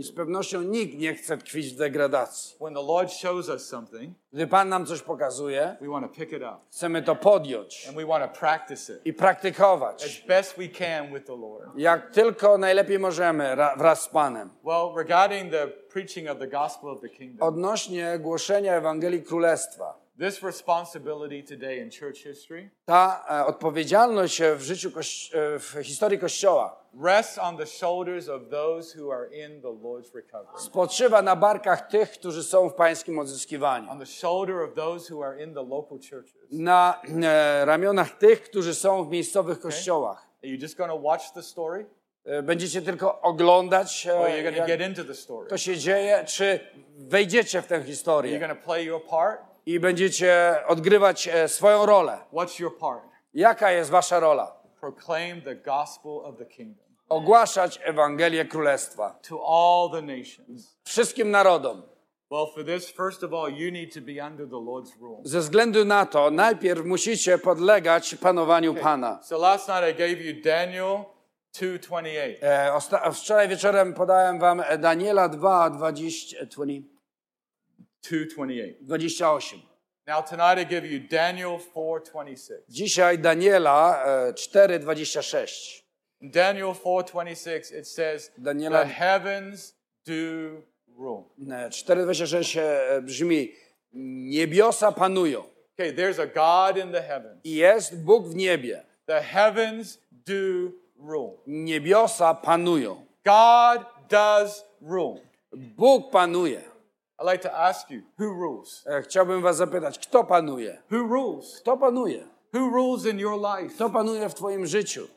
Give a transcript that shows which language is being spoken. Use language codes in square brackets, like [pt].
[pl] I z pewnością nikt nie chce tkwić w degradacji. [en] When the Lord shows us something, [pl] gdy Pan nam coś pokazuje, [en] we want to pick it up. [pl] Chcemy to podjąć. [en] And we want to practice it. [pl] I praktykować. [en] As best we can with the Lord. [pl] Jak tylko najlepiej możemy wraz z Panem. [en] Well, regarding the preaching of the gospel of the kingdom, [pl] odnośnie głoszenia Ewangelii Królestwa, [en] this responsibility today in church history, [pl] ta odpowiedzialność w życiu w historii Kościoła, [en] rests on the shoulders of those who are in the Lord's recovery. [pl] Spoczywa na barkach tych, którzy są w Pańskim odzyskiwaniu. [en] On the shoulder of those who are in the local churches. [pl] Na ramionach tych, którzy są w miejscowych kościołach. [en] Okay. Are you just going to watch the story? [pl] Będziecie tylko oglądać, [en] jak get into the story. [pl] To się dzieje, czy wejdziecie w tę historię? [en] You're going to play your part. [pl] I będziecie odgrywać swoją rolę. [en] What's your part? [pl] Jaka jest wasza rola? [en] Proclaim the gospel of the kingdom. [pl] Ogłaszać Ewangelię Królestwa. [en] To all the nations. [pl] Wszystkim narodom. [en] Well, for this, first of all, you need to be under the Lord's rule. [pl] Ze względu na to, najpierw musicie podlegać panowaniu Pana. [en] So last night I gave you Daniel 2:28. [pl] Wczoraj wieczorem podałem wam Daniela 2:28. [en] Now tonight I give you Daniel 4:26. [pl] Dzisiaj Daniela 4:26. [en] Daniel 4:26 it says Daniela, the heavens do rule. [pl] 4:26 brzmi niebiosa panują. [en] Okay, there's a God in the heavens. [pl] Jest Bóg w niebie. [en] The heavens do rule. [pl] Niebiosa panują. [en] God does rule. [pl] Bóg panuje. [en] I'd like to ask you, who rules? [pl] Chciałbym was zapytać, kto panuje? [en] Who rules? [pl] Kto panuje? [en] Who rules in your life? [pl] Kto panuje w twoim życiu?